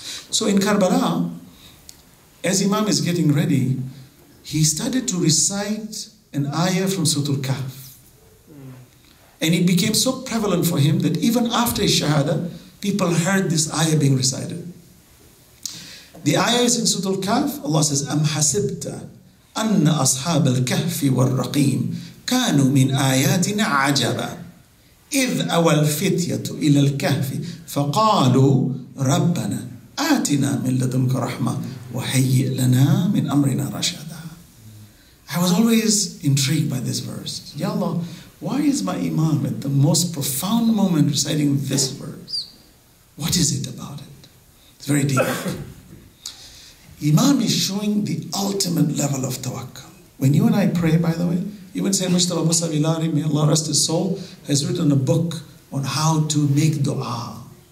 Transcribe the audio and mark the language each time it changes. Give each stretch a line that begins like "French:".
English: So in Karbala, as Imam is getting ready, he started to recite an ayah from Suratul Kahf. And it became so prevalent for him that even after his shahada, people heard this ayah being recited. The ayah is in Suratul Kahf. Allah says,
Arabic: أَمْ حَسِبْتَ أَنَّ أَصْحَابَ الْكَهْفِ وَالرَّقِيمِ كَانُوا مِنْ آيَاتِنَا عَجَبًا إِذْ أَوَى الْفِتْيَةُ إِلَى الْكَهْفِ فَقَالُوا رَبَّنَا آتِنَا مِنْ لَدُنْكَ رَحْمَةً وَهَيِّئْ لَنَا مِنْ أَمْرِنَا رَشَدًا.
English: I was always intrigued by this verse. Ya Allah, why is my imam at the most profound moment reciting this verse? What is it about it? It's very deep. Imam is showing the ultimate level of tawakkul. When you and I pray, by the way, even Sayyid Mustafa Musa Bilari, may Allah rest his soul, has written a book on how to make dua.